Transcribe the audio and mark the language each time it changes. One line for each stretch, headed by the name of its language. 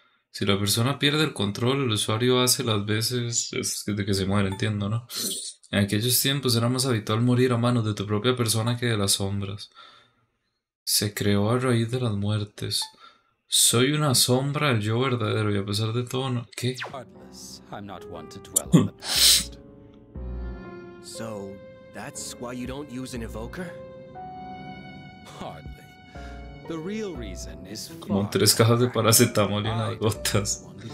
Spanish: Si la persona pierde el control, el usuario hace las veces de que se muere, entiendo, ¿no? En aquellos tiempos era más habitual morir a manos de tu propia persona que de las sombras. Se creó a raíz de las muertes. Soy una sombra del yo verdadero, y a pesar de todo, ¿no? ¿Qué?
English: I'm not one to dwell on the past. So, that's why you don't use an evoker? Hardly. The real reason is
Spanish: como tres cajas de paracetamol y unas gotas.